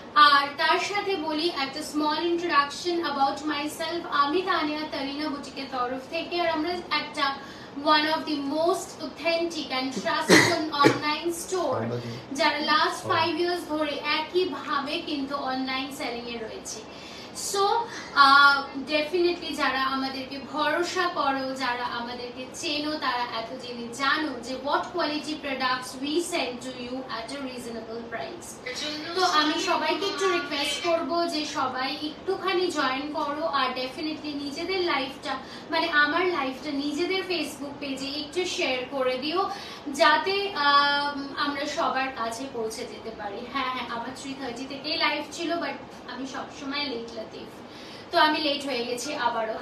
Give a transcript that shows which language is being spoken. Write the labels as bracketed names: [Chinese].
[Bangla] আর তার সাথে বলি একটা [English] Small introduction about myself. [Bangla] আমি তানিয়া তারিনা বুটিকের তরফ থেকে, আর আমরা একটা [English] one of the most authentic and trusted online store [Bangla] যারা [English] last 5 years [Bangla] ধরে একই ভাবে কিন্তু online selling এ রয়েছে। [English] So definitely [Bangla] যারা আমাদেরকে ভরসা করো, যারা আমাদেরকে চেনো, তারা এত জেনে জানো যে [English] what quality products we send to you at a reasonable price। [Bangla] তো আমি সবাইকে একটু request করব যে সবাই একটুখানি join করো, আর definitely নিজেদের লাইফটা মানে আমার লাইফটা নিজেদের ফেসবুক পেজে একটু শেয়ার করে দিও, যাতে আমরা সবার কাছে পৌঁছে যেতে পারি। হ্যাঁ হ্যাঁ, আমার 3:30 থেকেই লাইভ ছিল, বাট আমি সবসময় লেট লাতিফ, তো আমি লেট হয়ে গেছি আবারও।